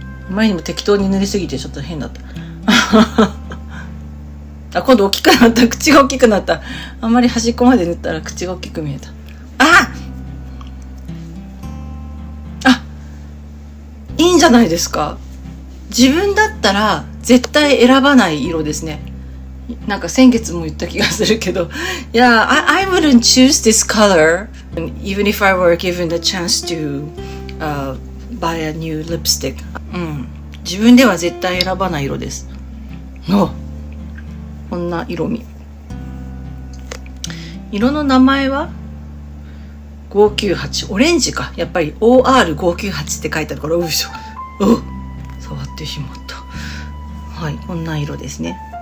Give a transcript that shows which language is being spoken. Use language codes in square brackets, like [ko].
[ja] 前にも適当に塗りすぎてちょっと変だったあ、今度大きくなった、口が大きくなった。あんまり端っこまで塗ったら口が大きく見えた。あ、あ、いいんじゃないですか。自分だったら絶対選ばない色ですね。なんか先月も言った気がするけど、 [en] Yeah, I wouldn't choose this color even if I were given the chance to buy a new lipstick. [ja] 自分では絶対選ばない色です。お、こんな色味。色の名前は598、オレンジか。やっぱり OR598 って書いてあるから、うそ。お、触ってしまった。はい、こんな色ですね。